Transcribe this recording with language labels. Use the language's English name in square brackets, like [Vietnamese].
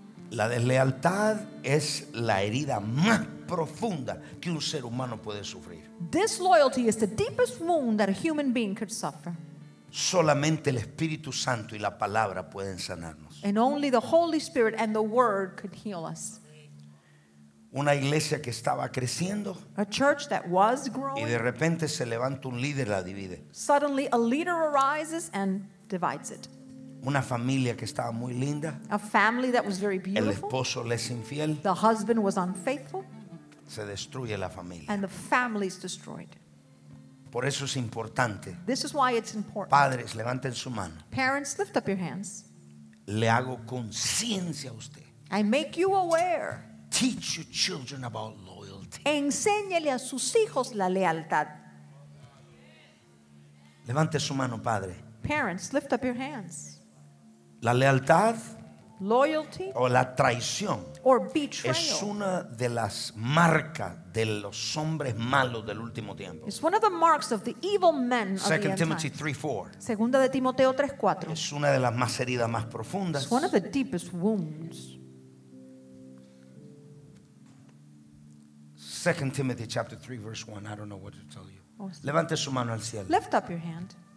[Spanish] La deslealtad es la herida más profunda que un ser humano puede sufrir. [English] Disloyalty is the deepest wound that a human being could suffer. [Spanish] Solamente el Espíritu Santo y la palabra pueden sanarnos. [English] And only the Holy Spirit and the Word could heal us. [Spanish] Una iglesia que estaba creciendo, [English] a church that was growing, [Spanish] y de repente se levanta un líder y la divide. [English] Suddenly a leader arises and divides it. [Spanish] Una familia que estaba muy linda, [English] a family that was very beautiful, [Spanish] el esposo le es infiel, [English] the husband was unfaithful, [Spanish] se destruye la familia, [English] and the family is destroyed. [Spanish] Por eso es importante. [English] This is why it's important. [Spanish] Padres, levanten su mano. [English] Parents, lift up your hands. [Spanish] Le hago conciencia a usted. [English] I make you aware. Teach your children about loyalty. [Spanish] Enséñele a sus hijos la lealtad. Levante su mano, padre. [English] Parents, lift up your hands. [Spanish] La lealtad. [English] Loyalty. [Spanish] O la traición. [English] Or betrayal. [Spanish] Es una de las marcas de los hombres malos del último tiempo. [English] It's one of the marks of the evil men of the end time. 2 Timothy 3:4. [Spanish] Segunda de Timoteo 3:4. Es una de las más heridas más profundas. [English] It's one of the deepest wounds. 2 Timothy chapter 3 verse 1. I don't know what to tell you. [Spanish] Levante su mano al cielo. [English] Lift up your hand.